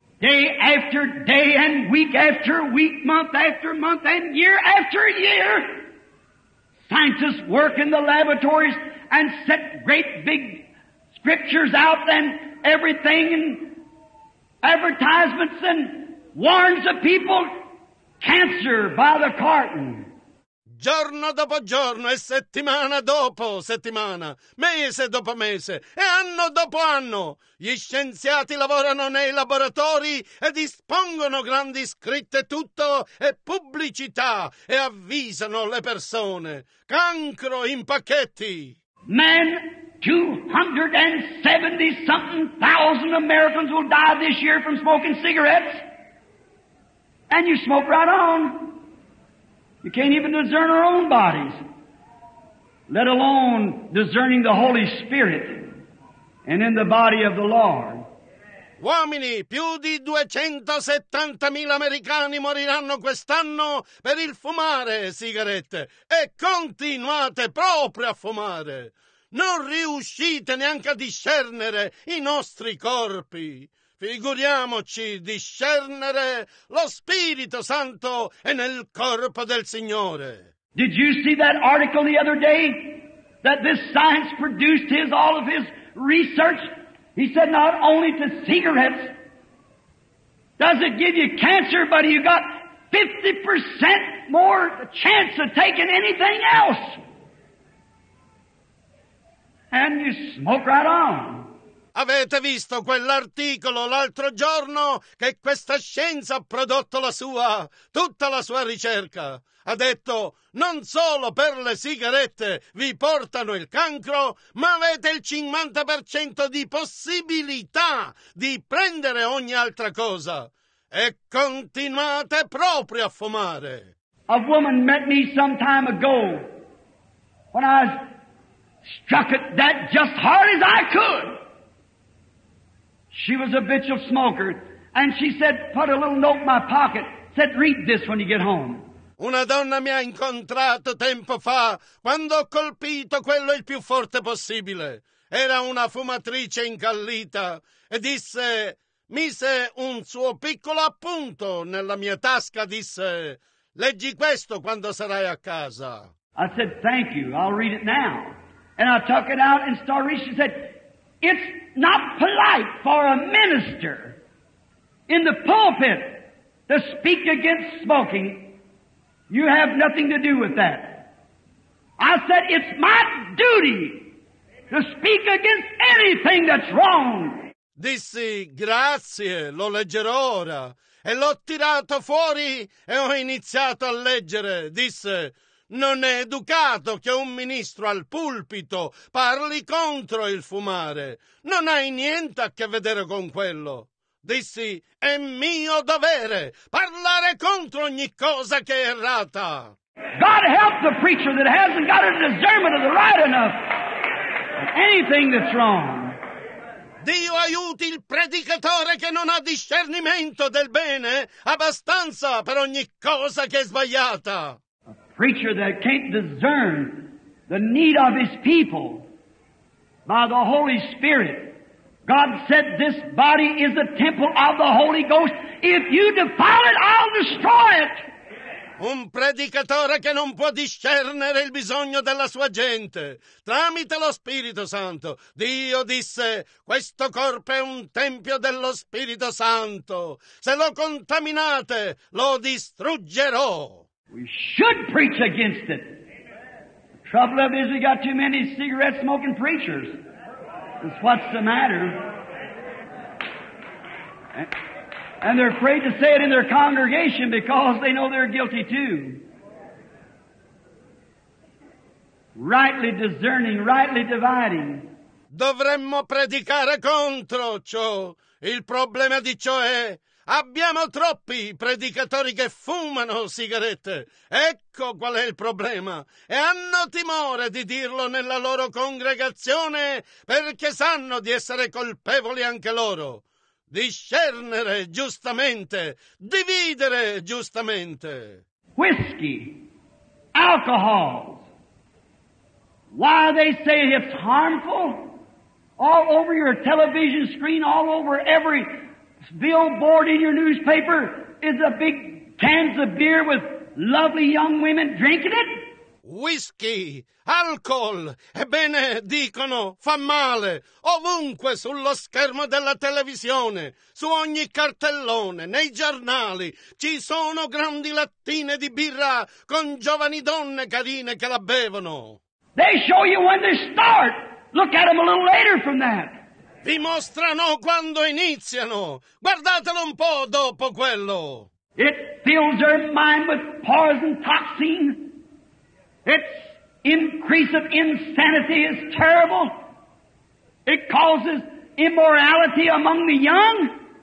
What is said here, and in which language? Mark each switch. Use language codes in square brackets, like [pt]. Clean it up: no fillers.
[en] Day after day and week after week, month after month and year after year, scientists work in the laboratories and set great big scriptures out and everything and advertisements and warns the people, cancer by the carton. [it] giorno dopo giorno e settimana dopo settimana, mese dopo mese e anno dopo anno. Gli scienziati lavorano nei laboratori e dispongono grandi scritte tutto e pubblicità e avvisano le persone. Cancro in pacchetti! [en] Men! 270-something thousand Americans will die this year from smoking cigarettes. And you smoke right on. You can't even discern our own bodies, let alone discerning the Holy Spirit and in the body of the Lord. [it] Uomini, più di 270.000 americani moriranno quest'anno per il fumare sigarette. E continuate proprio a fumare. Non riuscite neanche a discernere i nostri corpi. Figuriamoci discernere lo Spirito Santo e nel corpo del Signore. [en] Did you see that article the other day that this science produced his all of his research? He said not only to cigarettes does it give you cancer, but you got 50% more chance of taking anything else. And you smoke right on. [it] Avete visto quell'articolo l'altro giorno che questa scienza ha prodotto tutta la sua ricerca? Ha detto, non solo per le sigarette vi portano il cancro, ma avete il 50% di possibilità di prendere ogni altra cosa. E continuate proprio a fumare. [en] A woman met me some time ago when I struck it that just hard as I could. She was a habitual smoker, and she said, put a little note in my pocket, said, read this when you get home. [it] Una donna mi ha incontrato tempo fa, quando ho colpito quello il più forte possibile. Era una fumatrice incallita, e disse, mise un suo piccolo appunto nella mia tasca, disse, leggi questo quando sarai a casa. [en] I said, thank you, I'll read it now. And I took it out, and started, she said, it's not polite for a minister in the pulpit to speak against smoking. You have nothing to do with that. I said, it's my duty to speak against anything that's wrong. [it] Dissi, grazie, lo leggerò ora. E l'ho tirato fuori e ho iniziato a leggere. Disse, non è educato che un ministro al pulpito parli contro il fumare. Non hai niente a che vedere con quello. Dissi, è mio dovere parlare contro ogni cosa che è errata. [en] God help the preacher that hasn't got a discernment of the right enough. Anything that's wrong. [it] Dio aiuti il predicatore che non ha discernimento del bene abbastanza per ogni cosa che è sbagliata. [en] Preacher that can't discern the need of his people by the Holy Spirit. God said this body is the temple of the Holy Ghost. If you defile it, I'll destroy it. [it] Un predicatore che non può discernere il bisogno della sua gente tramite lo Spirito Santo. Dio disse, questo corpo è un tempio dello Spirito Santo. Se lo contaminate, lo distruggerò. [en] We should preach against it. The trouble of it is we got too many cigarette-smoking preachers. That's what's the matter. And they're afraid to say it in their congregation because they know they're guilty too. Rightly discerning, rightly dividing. [it] Dovremmo predicare contro ciò. Il problema di ciò è... Abbiamo troppi predicatori che fumano sigarette. Ecco qual è il problema. E hanno timore di dirlo nella loro congregazione perché sanno di essere colpevoli anche loro. Discernere giustamente, dividere giustamente. [en] Whisky, alcohol. Why they say it's harmful? All over your television screen, all over every... billboard in your newspaper is a big cans of beer with lovely young women drinking it? [it] whisky, alcol, ebbene, dicono, fa male, ovunque sullo schermo della televisione, su ogni cartellone, nei giornali, ci sono grandi lattine di birra con giovani donne carine che la bevono. [en] They show you when they start. Look at them a little later from that. [it] Vi mostrano quando iniziano. Guardatelo un po' dopo quello. [en] It fills their mind with poison toxin. Its increase of insanity is terrible. It causes immorality among the young.